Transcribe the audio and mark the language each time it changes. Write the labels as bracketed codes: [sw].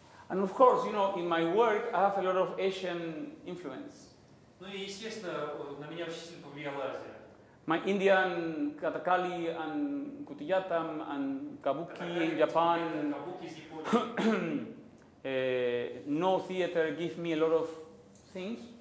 [en] And of course, you know, in my work, I have a lot of Asian influence. [ru] Ну и естественно, на меня очень сильно повлияла Азия. [en] My Indian Katakali and Kutiyatam and Kabuki in Japan. no theater give me a lot of things.